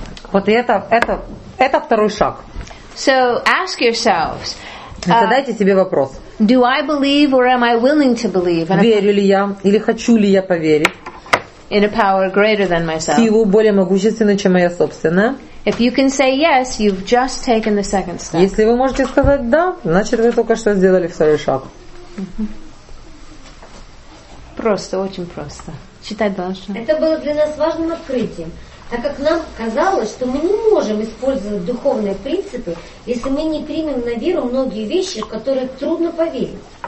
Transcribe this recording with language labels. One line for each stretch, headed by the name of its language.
Russian: Вот это второй шаг.
English: So ask yourselves.
Russian: Задайте себе вопрос.
English: Do I believe or am I willing to believe?
Russian: Верю ли я или хочу ли я поверить?
English: In a power greater than myself.
Russian: Силу более могущественную, чем моя собственная.
English: If you can say yes, you've just taken the second step.
Russian: Если вы можете сказать да, значит вы только что сделали второй шаг. Просто, очень просто. Читать дальше. Это было для нас важным открытием. Так как нам казалось, что мы не можем использовать духовные принципы, если мы не примем на веру многие вещи, в которые трудно поверить.